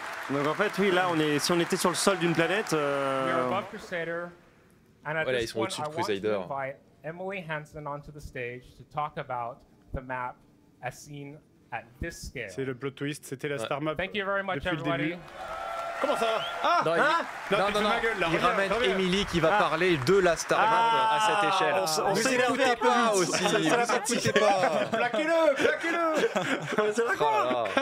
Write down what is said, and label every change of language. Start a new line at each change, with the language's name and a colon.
French: Donc, en fait, oui, là, si on était sur le sol d'une planète. Voilà, ils sont au-dessus de Crusader.
English: Emily Hansen onto the stage to talk about the map as seen at this scale.
French: C'est le plot twist, c'était la star map.
English: Thank you very much, everybody.
French: Comment ça? Non, il ramène Emily qui va parler de la star map à cette échelle. On ne s'écoutait pas aussi. Plaquez-le. C'est la quoi?